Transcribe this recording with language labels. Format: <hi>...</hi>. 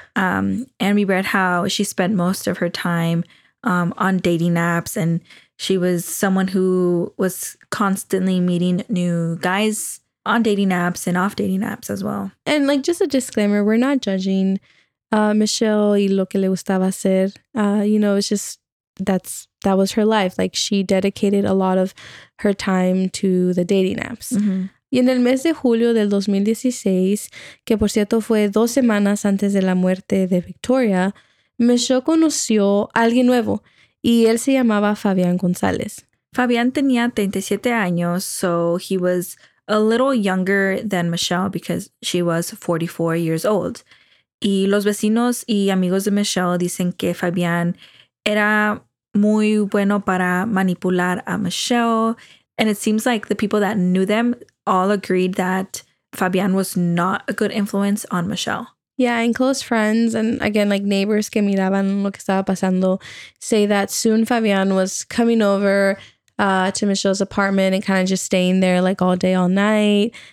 <en>And we read how she spent most of her time on dating apps, and she was someone who was constantly meeting new guys on dating apps and off dating apps as well. And like, just a disclaimer, we're not judging Michelle</en> <es>y lo que le gustaba hacer.</es> <en>You know, it's just that was her life. Like, she dedicated a lot of her time to the dating apps. Mm-hmm.</en> <es>Y en el mes de julio del 2016, que por cierto fue dos semanas antes de la muerte de Victoria, Michelle conoció a alguien nuevo y él se llamaba Fabián González. Fabián tenía 37 años,</es> <en>so he was a little younger than Michelle because she was 44 years old.</en> <es>Y los vecinos y amigos de Michelle dicen que Fabián era muy bueno para manipular a Michelle.</es> <en>And it seems like the people that knew them all agreed that Fabián was not a good influence on Michelle. Yeah, and close friends and again, like neighbors</en> <es>que miraban lo que estaba pasando</es> <en>say that soon Fabian was coming over to Michelle's apartment and kind of just staying there like all day, all night.</en>